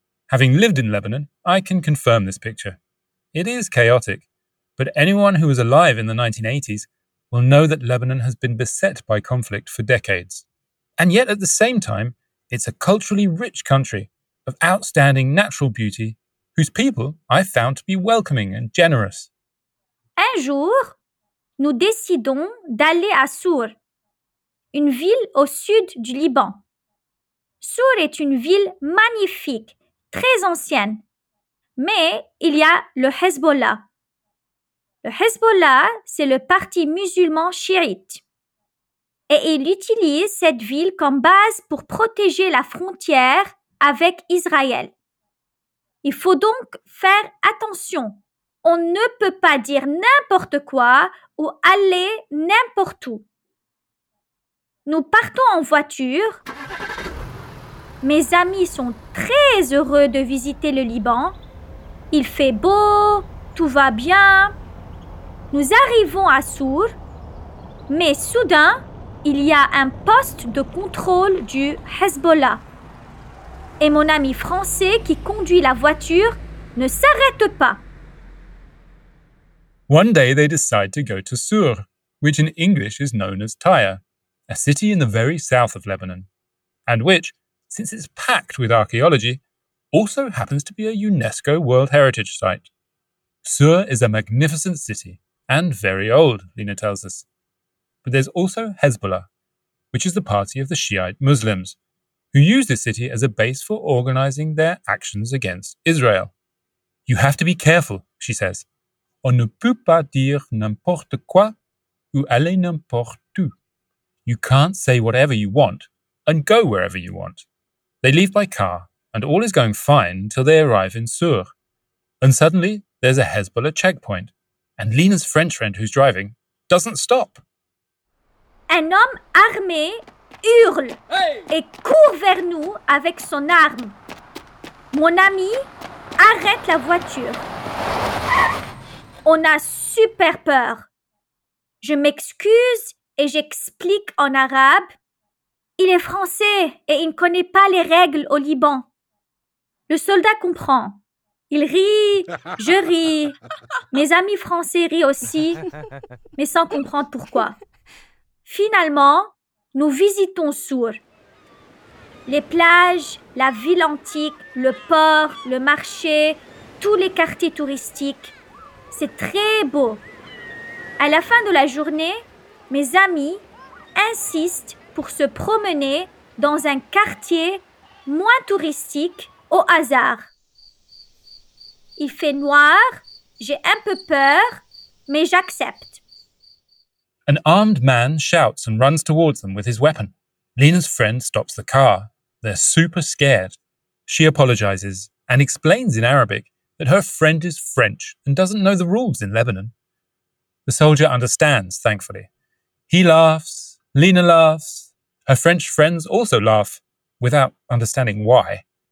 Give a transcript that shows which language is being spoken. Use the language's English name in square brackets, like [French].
[English] Having lived in Lebanon, I can confirm this picture. It is chaotic, but anyone who was alive in the 1980s will know that Lebanon has been beset by conflict for decades. And yet, at the same time, it's a culturally rich country of outstanding natural beauty whose people I found to be welcoming and generous. [French] Un jour, nous décidons d'aller à Sour, une ville au sud du Liban. Sour est une ville magnifique, très ancienne. Mais il y a le Hezbollah. Le Hezbollah, c'est le parti musulman chiite. Et il utilise cette ville comme base pour protéger la frontière avec Israël. Il faut donc faire attention. On ne peut pas dire n'importe quoi ou aller n'importe où. Nous partons en voiture. Mes amis sont très heureux de visiter le Liban. Il fait beau, tout va bien. Nous arrivons à Sour, mais soudain, il y a un poste de contrôle du Hezbollah. Et mon ami français qui conduit la voiture ne s'arrête pas. [English] One day they decide to go to Sour, which in English is known as Tyre, a city in the very south of Lebanon, and which, since it's packed with archaeology, also happens to be a UNESCO World Heritage Site. Sour is a magnificent city, and very old, Lina tells us. But there's also Hezbollah, which is the party of the Shiite Muslims, who use the city as a base for organizing their actions against Israel. You have to be careful, she says. [French] On ne peut pas dire n'importe quoi ou aller n'importe où. [English] You can't say whatever you want and go wherever you want. They leave by car, and all is going fine until they arrive in Sour. And suddenly, there's a Hezbollah checkpoint, and Lina's French friend who's driving doesn't stop. [French] Un homme armé hurle hey! Et court vers nous avec son arme. Mon ami arrête la voiture. On a super peur. Je m'excuse et j'explique en arabe. Il est français et il ne connaît pas les règles au Liban. Le soldat comprend. Il rit, je ris. Mes amis français rient aussi, mais sans comprendre pourquoi. Finalement, nous visitons Sour. Les plages, la ville antique, le port, le marché, tous les quartiers touristiques. C'est très beau. À la fin de la journée, mes amis insistent pour se promener dans un quartier moins touristique au hasard. Il fait noir, j'ai un peu peur, mais j'accepte. [English] An armed man shouts and runs towards them with his weapon. Lina's friend stops the car. They're super scared. She apologizes and explains in Arabic that her friend is French and doesn't know the rules in Lebanon. The soldier understands, thankfully. He laughs, Lina laughs, her French friends also laugh, without understanding why.